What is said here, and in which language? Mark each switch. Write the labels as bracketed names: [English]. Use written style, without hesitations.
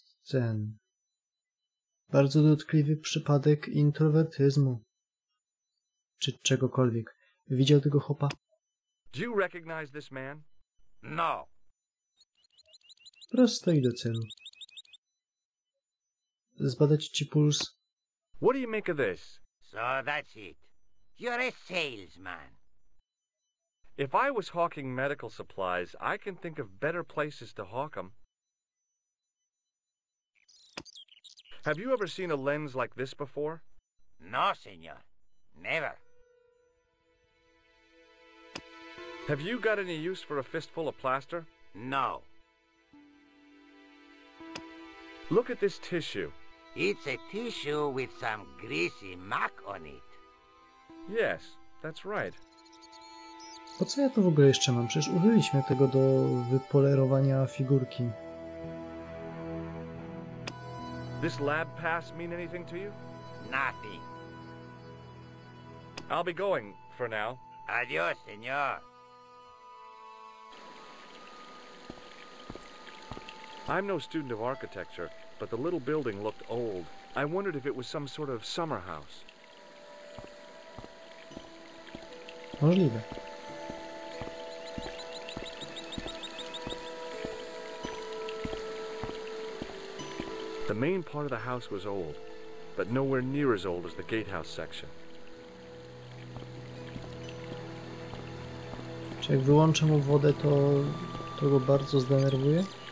[Polish] ten... bardzo dotkliwy przypadek introwertyzmu. Czy czegokolwiek. Widział tego chłopa? [English] Do you recognize this man? No. [Polish] Prosto i do celu. zbadać ci puls. [English] What do you make of this? So that's it. You're a salesman. If I was hawking medical supplies, I can think of better places to hawk them. Have you ever seen a lens like this before? No, senor. Never. Have you got any use for a fistful of plaster? No. Look at this tissue. It's a tissue with some greasy muck on it. Yes, that's right. [Polish] Po co ja to w ogóle jeszcze mam? Przecież użyliśmy tego do wypolerowania figurki. [English] This lab pass mean anything to you? Nothing. I'll be going for now. [Spanish] Adios, señor. [English] I'm no student of architecture, but the little building looked old. I wondered if it was some sort of summer house. [Polish] Możliwe. [English] The main part of the house was old, but nowhere near as old as the gatehouse section. [Polish] Czy jak wyłączę mu wodę, to, to go bardzo zdenerwuje?